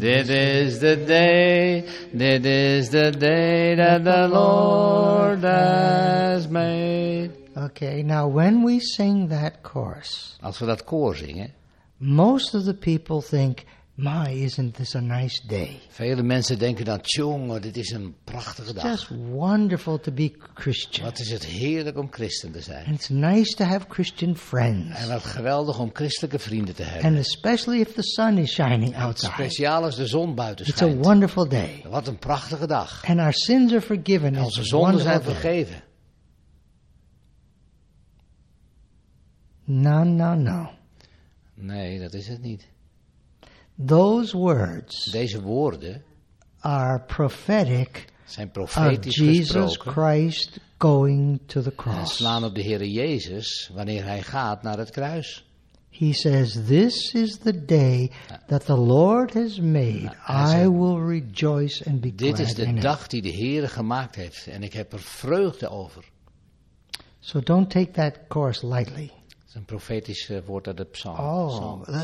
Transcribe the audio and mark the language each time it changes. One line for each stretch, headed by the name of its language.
English: This is the day. This is the day that the Lord has made. Okay, now when we sing that chorus.
Dutch: Als we dat koor zingen.
English: Most of the people think, my, isn't this a nice day?
Dutch: Vele mensen denken dan, tjonge, dit is een prachtige dag.
English: It's just wonderful to be Christian.
Dutch: Wat is het heerlijk om christen te zijn.
English: And it's nice to have Christian friends.
Dutch: En wat geweldig om christelijke vrienden te hebben.
English: And especially if the sun is shining outside.
Dutch: Speciaal als de zon buiten schijnt.
English: It's a wonderful day.
Dutch: Wat een prachtige dag.
English: And our sins are forgiven.
Dutch: En onze zonden zijn vergeven.
English: No, no, no.
Dutch: Nee, dat is het niet.
English: Those words,
Dutch: deze woorden,
English: are prophetic,
Dutch: zijn profetisch gesproken,
English: of Jesus Christ going to the cross.
Dutch: En slaan op de Heere Jezus wanneer hij gaat naar het kruis.
English: He says, "This is the day that the Lord has made. I will rejoice and be glad in it."
Dutch: Dit is de dag die de Heere gemaakt heeft, en ik heb er vreugde over.
English: So don't take that chorus lightly.
Dutch: Het is een profetisch woord uit de psalm.